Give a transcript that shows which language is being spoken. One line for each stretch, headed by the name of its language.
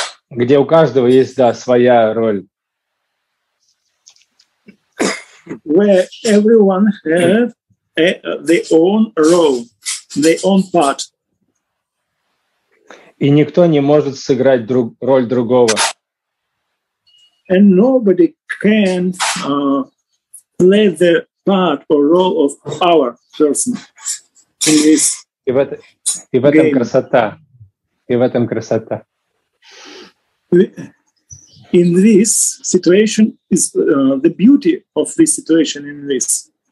Russian: Где у каждого есть да своя роль.
English: Where everyone have their own role, their own part.
Russian: И никто не может сыграть роль другого.
English: And nobody can play the part or role of our person in this
Russian: game. И в этом красота. И в этом красота.
English: In this situation is the beauty of this situation in this.